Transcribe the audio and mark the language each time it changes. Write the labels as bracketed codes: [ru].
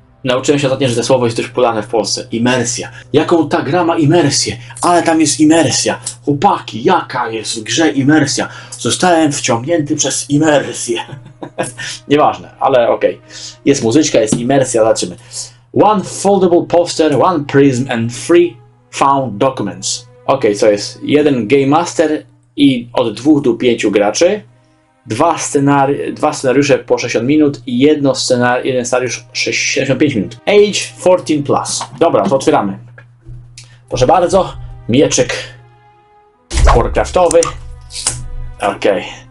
[pl] Nauczyłem się ostatnio, że to słowo jest dość popularne w Polsce. Imersja. Jaką ta gra ma imersję? Ale tam jest imersja. Chłopaki, jaka jest w grze imersja? Zostałem wciągnięty przez imersję. Nieważne, ale okej. Okay. Jest muzyczka, jest imersja, zobaczymy. [en] One foldable poster, one prism and three found documents. [pl] Okej, okay, co jest? Jeden Game Master i od 2 do 5 graczy. Dwa scenariusze po 60 minut i jeden scenariusz 75 minut. [en] Age 14+. [pl] Dobra, to otwieramy. Proszę bardzo, mieczyk Warcraftowy. Okej. Okay.